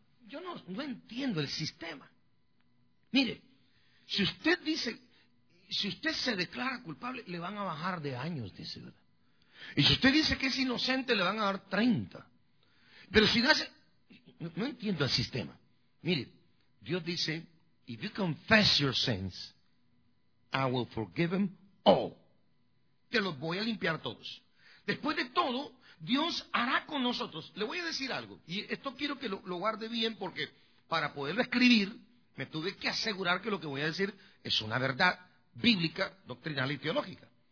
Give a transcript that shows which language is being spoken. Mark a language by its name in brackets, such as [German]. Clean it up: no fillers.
[Spanish] Yo no entiendo el sistema. Mire, si usted dice, si usted se declara culpable, le van a bajar de años, dice, ¿verdad? Y si usted dice que es inocente, le van a dar 30. Pero si no hace, no entiendo el sistema. Mire, Dios dice... [English] If you confess your sins, I will forgive them all. [Spanish] Te los voy a limpiar todos. Después de todo, Dios hará con nosotros. Le voy a decir algo, y esto quiero que lo guarde bien, porque para poderlo escribir, me tuve que asegurar que lo que voy a decir es una verdad bíblica, doctrinal y teológica.